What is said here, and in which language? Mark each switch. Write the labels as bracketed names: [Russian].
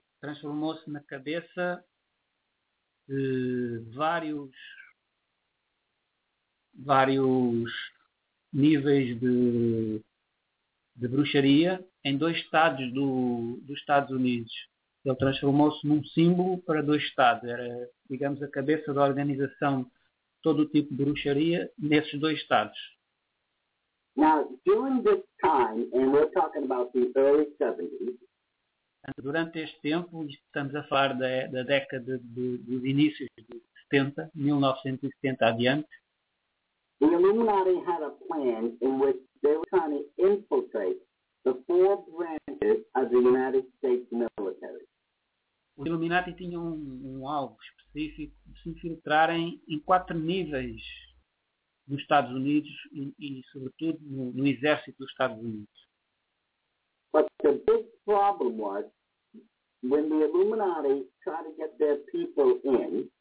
[Portuguese] Transformou-se na cabeça de vários níveis de bruxaria em 2 estados dos Estados Unidos. Ele transformou-se num símbolo para 2 estados. Era, digamos, a cabeça da organização de todo o tipo de bruxaria nesses 2 estados. [English] Now, during this time, and we're talking about the early 70s, [Portuguese] durante este tempo, estamos a falar da década dos inícios de 70, 1970 adiante, [English] the Illuminati had a plan in which they were trying to infiltrate the 4 branches of the United States military. [Portuguese] Os Illuminati tinham um alvo específico de se infiltrarem em 4 níveis nos Estados Unidos e sobretudo no exército dos Estados Unidos. [English] But the big problem was when the Illuminati tried to get their people in.